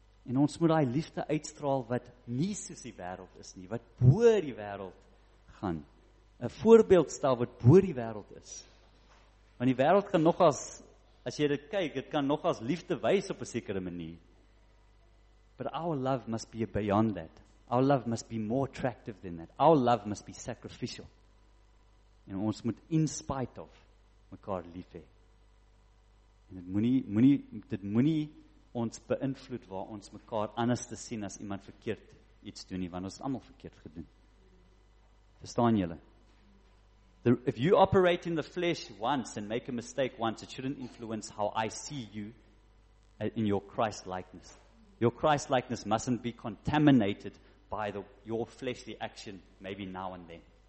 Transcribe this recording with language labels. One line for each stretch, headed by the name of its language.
Afrikaans: En ons moet daai liefde uitstraal wat nie soos die wêreld is nie, wat bo die wêreld gaan. 'N Voorbeeld stel wat bo die wêreld is. Want die wêreld kan nogals, as jy dit kyk, dit kan nogals liefde wys op 'n sekere manier.
English: But our love must be beyond that. Our love must be more attractive than that. Our love must be sacrificial.
Afrikaans: En ons moet in spite of mekaar lief hê. En dit moenie ons beïnvloed waar ons mekaar anders te sien as iemand verkeerd iets doen nie, want ons het almal verkeerd gedoen. Verstaan julle?
English: If you operate in the flesh once and make a mistake once, it shouldn't influence how I see you in your Christ-likeness. Your Christ-likeness mustn't be contaminated by your fleshly action maybe now and then.